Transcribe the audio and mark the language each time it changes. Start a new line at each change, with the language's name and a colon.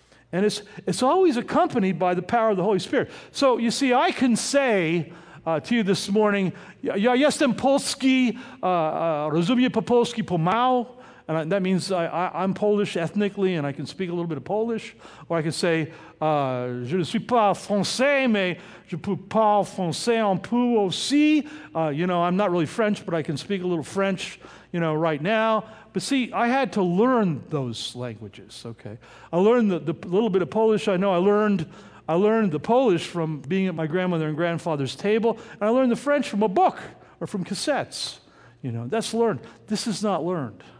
English: And it's always accompanied by the power of the Holy Spirit. So, you see, I can say to you this morning,
Polish: ja jestem polski, rozumiem po polsku, po mau,
English: and that means I'm Polish ethnically, and I can speak a little bit of Polish. Or I can say,
French: je ne suis pas français, mais je peux parler français un peu aussi.
English: You know, I'm not really French, but I can speak a little French, you know, right now. But see, I had to learn those languages, okay? I learned the little bit of Polish I know. I learned the Polish from being at my grandmother and grandfather's table. And I learned the French from a book or from cassettes. You know, that's learned. This is not learned.